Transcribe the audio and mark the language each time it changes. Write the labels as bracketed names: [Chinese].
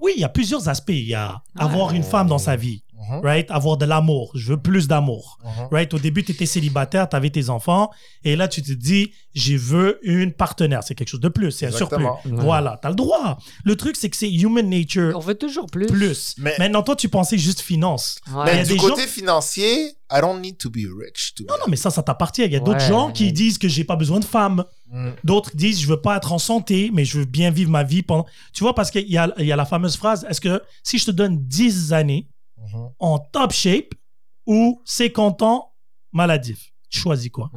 [French] Oui, il y a plusieurs aspects. Il y a avoir une femme dans sa vie, right? Avoir de l'amour. Je veux plus d'amour, right? Au début, tu étais célibataire, tu avais tes enfants. Et là, tu te dis, je veux une partenaire. C'est quelque chose de plus, c'est un exactement. Surplus. Mmh. Voilà, tu as le droit. Le truc, c'est que c'est [English] human nature. [French] On veut toujours plus. Plus. Mais maintenant, toi, tu pensais juste finance. Ouais. Mais du côté gens... [English] financier, I don't need to be rich. To [French] non, non, mais ça t'appartient. Il y a d'autres gens qui disent que j'ai pas besoin de femme. D'autres disent, je veux pas être en santé, mais je veux bien vivre ma vie pendant... Tu vois, parce qu'il y a la fameuse phrase, est-ce que si je te donne 10 années en top shape ou 50 ans maladif, tu choisis quoi?